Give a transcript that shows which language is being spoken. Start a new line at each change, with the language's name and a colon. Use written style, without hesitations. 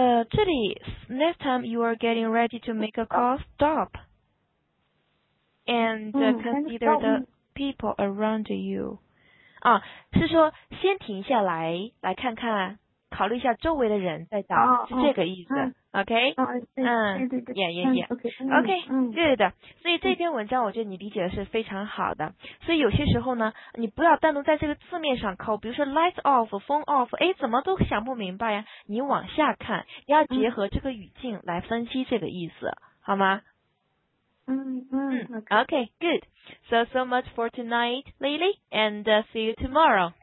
English: 这里 next time you are getting ready to make a call, stop and consider the people around you。
Chinese: 是说先停下来，来看看，考虑一下周围的人再打，是这个意思。
English: OK，
Chinese: 对
English: good。
Chinese: 所以这篇文章我觉得你理解的是非常好的。所以有些时候呢，你不要单独在这个字面上抠，比如说
English: light off， phone off，
Chinese: 怎么都想不明白呀。你往下看，要结合这个语境来分析这个意思，好吗？
English: okay. OK， good。 So much for tonight, Lily, and see you tomorrow.